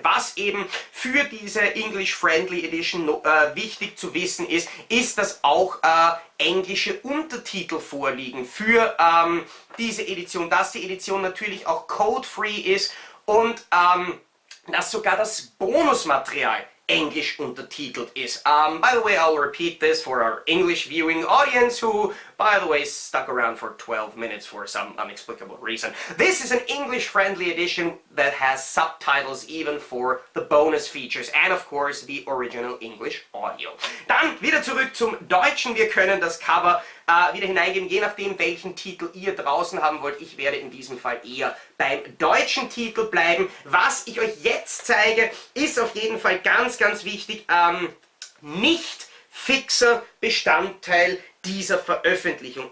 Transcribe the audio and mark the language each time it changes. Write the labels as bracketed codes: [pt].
[de] Was eben für diese English-Friendly Edition wichtig zu wissen ist, ist, dass auch englische Untertitel vorliegen für diese Edition. Dass die Edition natürlich auch code-free ist und dass sogar das Bonusmaterial englisch untertitelt ist. [en] By the way, I'll repeat this for our English viewing audience who, by the way, stuck around for 12 minutes for some inexplicable reason. This is an English-friendly edition that has subtitles even for the bonus features and, of course, the original English audio. [de] Dann wieder zurück zum Deutschen. Wir können das Cover wieder hineingeben, je nachdem, welchen Titel ihr draußen haben wollt. Ich werde in diesem Fall eher beim deutschen Titel bleiben. Was ich euch jetzt zeige, ist auf jeden Fall ganz, ganz wichtig, nicht fixer Bestandteil dieser Veröffentlichung.